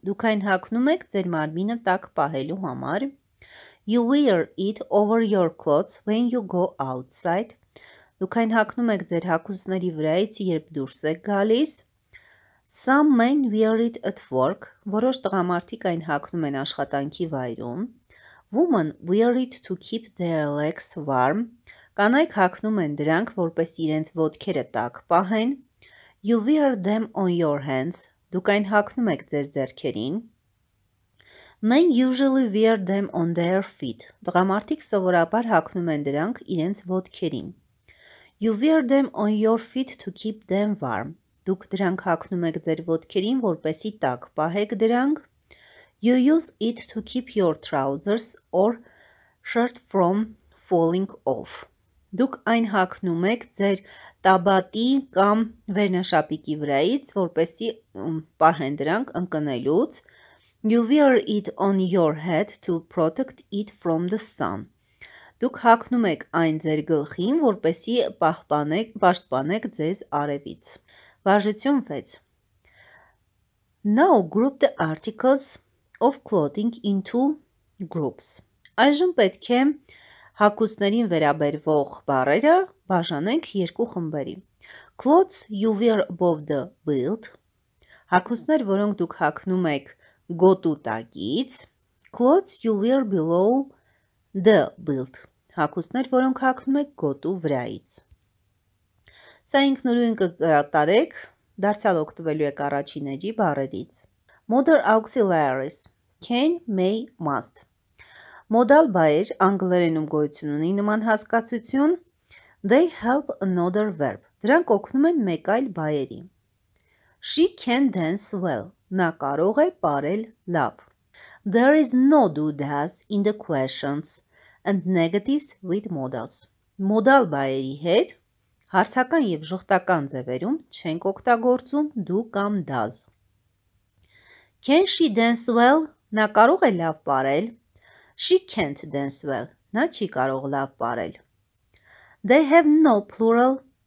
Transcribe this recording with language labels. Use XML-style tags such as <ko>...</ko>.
<hy>Դուք այն հագնում եք ձեր մարմինը տաք պահելու համար.</hy> <en>You wear it over your clothes when you go outside.</en> <hy>Դուք այն հագնում եք ձեր հագուստների վրայից, երբ դուրս եք գալիս.</hy> <en>Some men wear it at work.</en> <hy>Որոշ տղամարդիկ այն հագնում են աշխատանքի վայրում.</hy> <en>Women wear it to keep their legs warm.</en> <hy>Կանայք հագնում են դրանք, որպես իրենց ոտքերը տաք պահեն.</hy> <en>You wear them on your hands.</en> <hy>Դուք այն հագնում եք ձեր ձեռքերին.</hy> <en>Men usually wear them on their feet.</en> <hy>Տղամարդիկ սովորաբար հագնում են դրանք իրենց ոտքերին.</hy> <en>You wear them on your feet to keep them warm.</en> <hy>Դուք դրանք հագնում եք ձեր ոտքերին, որպեսի տաք պահեք դրանք.</hy> <en>You use it to keep your trousers or shirt from falling off.</en> <hy>Դուք այն հագնում եք ձեր տաբատի կամ վերնաշապիկի վրայից, որպեսի պահեն դրանք ընկնելուց.</hy> <en>You wear it on your head to protect it from the sun.</en> <hy>Դուք հագնում եք այն ձեր գլխին, որպեսի պահպանեք, պաշտպանեք ձեզ արևից. Վարժություն 6.</hy> <en>Now group the articles of clothing into groups.</en> <hy>Այժմ պետք է հագուստներին վերաբերվող բառերը բաժանենք երկու խմբերի.</hy> <en>Clothes you wear above the belt.</en> <hy>Հագուստներ, որոնք դուք հագնում եք գոտու տակից.</hy> <en>Clothes you wear below the belt.</en> <hy>Հագուստներ, որոնք հագնում եք գոտու վրայից. Սա ինքնուրույն կկատարեք, դարձյալ օգտվելու եք առաջիների բառերից.</hy> <en>Modal auxiliaries. Can, may, must.</en> <hy>Modal բայեր անգլերենում գոյություն ունի նման հասկացություն.</hy> <en>They help another verb.</en> <hy>Դրանք օգնում են մեկ այլ բայերի.</hy> <en>She can dance well.</en> <hy>Նա կարող է պարել լավ.</hy> <en>There is no do does in the questions and negatives with modals.</en> <hy>Modal բայերի հետ հարցական և ժխտական ձևերում չենք օգտագործում do կամ does.</hy> <en>Can she dance well?</en> <hy>Նա կարող է լավ պարել.</hy> <en>She can't dance well.</en> <hy>Նա չի կարող լավ պարել.</hy> <en>They have no plural.</en>